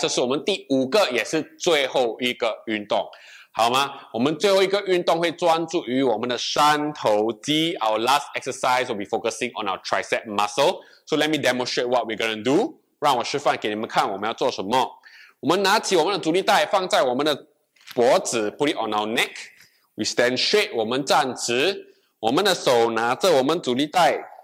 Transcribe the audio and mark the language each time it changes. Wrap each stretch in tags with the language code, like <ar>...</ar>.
<zh>这是我们第五个也是最后一个运动。好吗？我们最后一个运动会专注于我们的三头肌。</zh> <en>Our last exercise will be focusing on our tricep muscle. So let me demonstrate what we're going to do.</en> <zh>让我示范给你们看我们要做什么。我们拿起我们的阻力带放在我们的脖子 ,</zh> <en>put it on our neck. We stand straight,</en> <zh>我们站直。我们的手拿着我们阻力带。</zh>